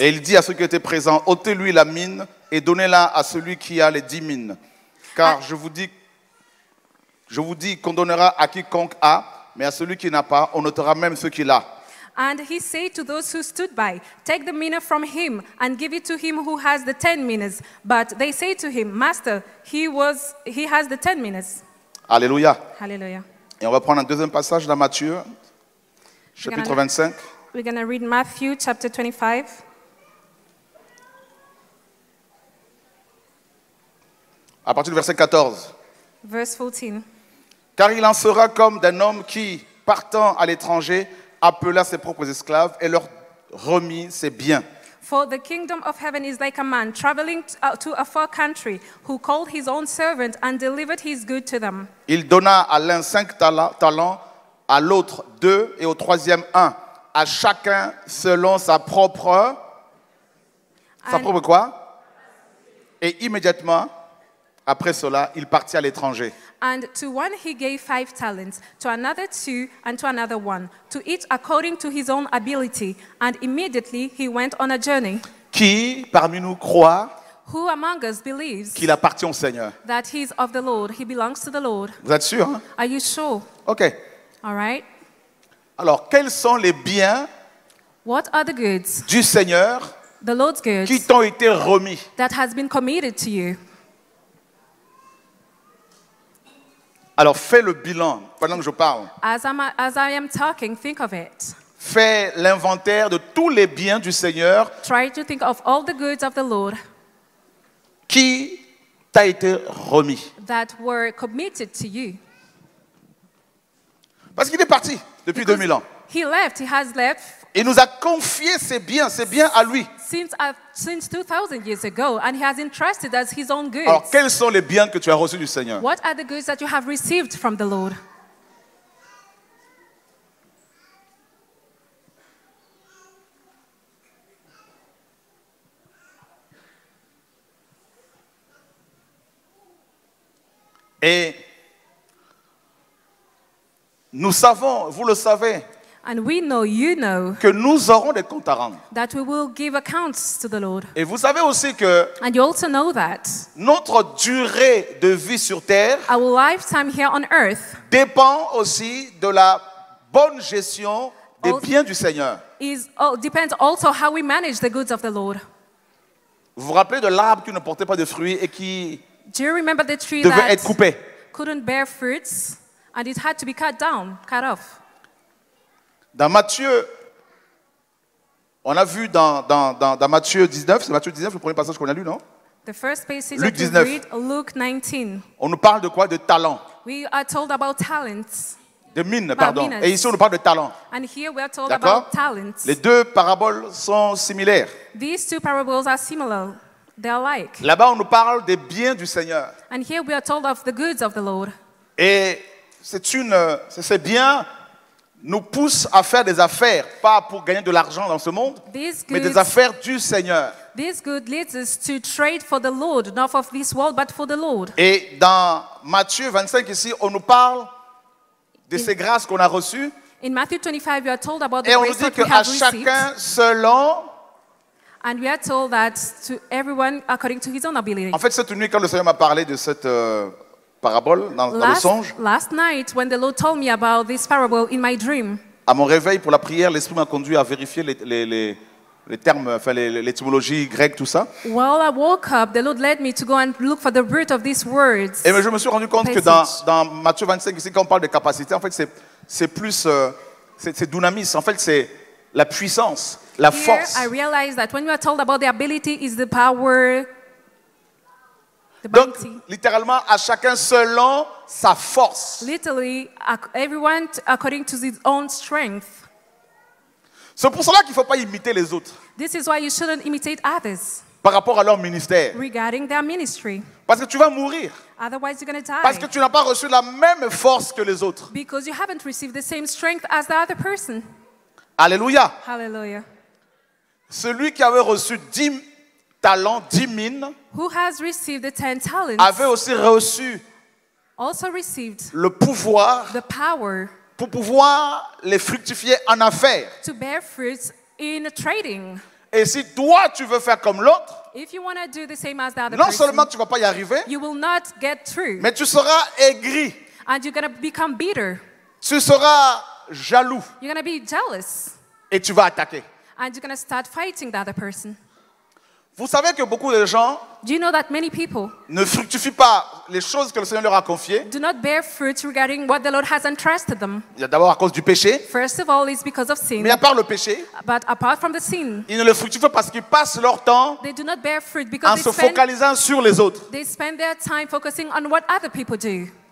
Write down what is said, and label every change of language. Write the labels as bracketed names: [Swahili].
[French] Et il dit à ceux qui étaient présents, ôtez-lui la mine et donnez-la à celui qui a les 10 mines. Car je vous dis qu'on donnera à quiconque a, mais à celui qui n'a pas, on notera même ce qu'il a. [English] And he said to those who stood by, take the mina from him and give it to him who has the 10 minas. But they say to him, Master, he has the 10 minas. [French] Alléluia. Alléluia. Et on va prendre un deuxième passage dans Matthieu, chapitre 25. [English] We're going to read Matthew chapter 25. [French] À partir du verset 14. [English] Verse 14. [French] Car il en sera comme d'un homme qui, partant à l'étranger, appela ses propres esclaves et leur remit ses biens. [English] For the kingdom of heaven is like a man traveling to a far country who called his own servant and delivered his good to them. [French] Il donna à l'un 5 talents, à l'autre 2 et au troisième 1, à chacun selon sa propre quoi? Et immédiatement, après cela, il partit à l'étranger. [English] And to one he gave 5 talents, to another 2, and to another 1, to each according to his own ability. And immediately he went on a journey. [French] Qui parmi nous croit? [English] Who among us believes? [French] Qu'il appartient au Seigneur? [English] That he is of the Lord. He belongs to the Lord. [French] Vous êtes sûr? Hein? [English] Are you sure? Okay. All right. [French] Alors, quels sont les biens? [English] What are the goods? [French] Du Seigneur. [English] The Lord's goods. [French] Qui t'ont été remis? [English] That has been committed to you. [French] Alors fais le bilan pendant que je parle. [English] As I am talking, think of it. [French] Fais l'inventaire de tous les biens du Seigneur. [English] Try to think of all the goods of the Lord. [French] Qui t'a été remis? [English] That were committed to you. [French] Parce qu'il est parti depuis 2000 ans. [English] He left. He has left. [French] Il nous a confié ses biens à lui. [English] Since 2000 years ago, and he has entrusted us his own goods. [French] Alors, quels sont les biens que tu as reçus du Seigneur? [English] What are the goods that you have received from the Lord? [French] Et nous savons, vous le savez, [English] and we know, you know, [French] que nous aurons des comptes à rendre. [English] That we will give accounts to the Lord. [French] Et vous savez aussi que, [English] and you also know that, [French] notre durée de vie sur terre, [English] our lifetime here on earth, [French] dépend aussi de la bonne gestion des biens du Seigneur. [English] Depends also how we manage the goods of the Lord. [French] Vous vous rappelez de l'arbre qui ne portait pas de fruits et qui, [English] do you remember the tree [French] devait [English] that [French] être coupé? [English] Couldn't bear fruits and it had to be cut down, cut off. [French] Dans Matthieu, on a vu dans Matthieu 19, c'est Matthieu 19 le premier passage qu'on a lu, non? [English] The first passage Luke 19. Read Luke 19. [French] On nous parle de quoi? De talent. [English] We are told about talents. [French] De mine, pardon. Minas. Et ici, on nous parle de talent. [English] And here we are told, [French] d'accord, [English] about talents. [French] Les deux paraboles sont similaires. [English] These two parables are similar. They are alike. [French] Là-bas, on nous parle des biens du Seigneur. [English] And here we are told of the goods of the Lord. [French] Et c'est bien nous pousse à faire des affaires, pas pour gagner de l'argent dans ce monde, [English] goods, [French] mais des affaires du Seigneur. [English] This good leads us to trade for the Lord, not for this world, but for the Lord. [French] Et dans Matthieu 25 ici, on nous parle de ces grâces qu'on a reçues. [English] In Matthew 25, we are told about the grace that we have received. [French] Et on nous dit qu'à chacun selon. [English] And we are told that to everyone according to his own ability. [French] En fait, cette nuit, quand le Seigneur m'a parlé de cette parabole dans le songe. [English] Last night, when the Lord told me about this parable in my dream. [French] À mon réveil pour la prière, l'esprit m'a conduit à vérifier le terme, enfin, l'étymologie grecque, tout ça. [English] While I woke up, the Lord led me to go and look for the root of these words. [French] Et je me suis rendu compte que dans Matthieu 25, ici, quand on parle de capacité, en fait, c'est plus dynamis. En fait, c'est la puissance, la force. [English] Here, I realized that when we are told about the ability, is the power. [French] Donc, littéralement, à chacun selon sa force. [English] Literally, everyone according to his own strength. [French] C'est pour cela qu'il ne faut pas imiter les autres. [English] This is why you shouldn't imitate others. [French] Par rapport à leur ministère. [English] Regarding their ministry. [French] Parce que tu vas mourir. [English] Otherwise, you're going to die. [French] Parce que tu n'as pas reçu la même force que les autres. [English] Because you haven't received the same strength as the other person. [French] Alléluia. [English] Hallelujah. [French] Celui qui avait reçu 10 talents, 10 mines. [English] Who has received the 10 talents? [French] Avait aussi reçu [English] also received [French] le pouvoir, [English] the power, [French] pour pouvoir les fructifier en affaires. [English] To bear fruits in trading. [French] Et si toi tu veux faire comme l'autre, [English] if you want to do the same as the other [French] non [English] person, [French] seulement tu vas pas y arriver, [English] you will not get through. [French] Mais tu seras aigri. [English] And you're gonna become bitter. [French] Tu seras jaloux. [English] You're gonna be jealous. [French] Et tu vas attaquer. [English] And you're gonna start fighting the other person. [French] Vous savez que beaucoup de gens, [English] do you know that many people, [French] ne fructifient pas les choses que le Seigneur leur a confiées. [English] Do not bear fruit regarding what the Lord has entrusted them. [French] Il y a d'abord à cause du péché. [English] First of all, it's because of sin. [French] Mais à part le péché, [English] but apart from the sin, [French] ils ne le fructifient pas parce qu'ils passent leur temps [English] they do not bear fruit because [French] en se focalisant sur les autres. [English] They spend their time focusing on what other people do.